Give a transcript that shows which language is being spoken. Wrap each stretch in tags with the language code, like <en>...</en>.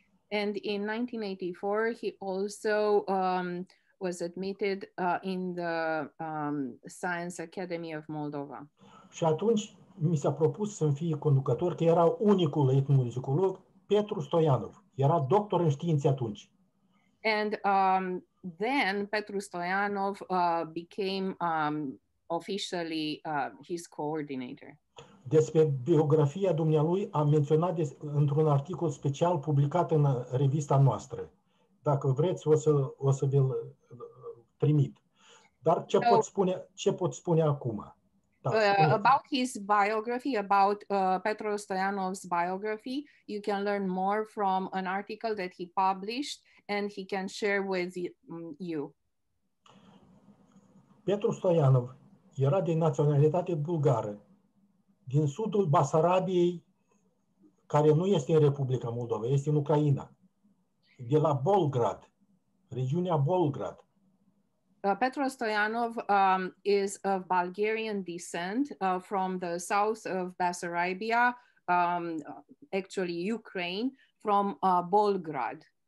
<en>And in 1984, he also was admitted in the Science Academy of Moldova.</en> <ro>Și atunci mi s-a propus să-mi fie conducător, că era unicul etnomuzicolog, Petru Stoianov. Era doctor în științe atunci.</ro> <en>And then Petru Stoianov became officially his coordinator.</en> <ro>Despre biografia dumnealui am menționat într-un articol special publicat în revista noastră. Dacă vreți, o să vi-l trimit. Dar ce pot spune acum?</ro> <en>About his biography, about Petru Stoianov's biography, you can learn more from an article that he published and he can share with you.</en> <ro>Petru Stoianov era de naționalitate bulgară, din sudul Basarabiei, care nu este în Republica Moldova, este în Ucraina, de la Bolgrad, regiunea Bolgrad.</ro> <en>Petru Stoianov is of Bulgarian descent from the south of Basarabia, actually Ukraine, from Bolgrad.</en>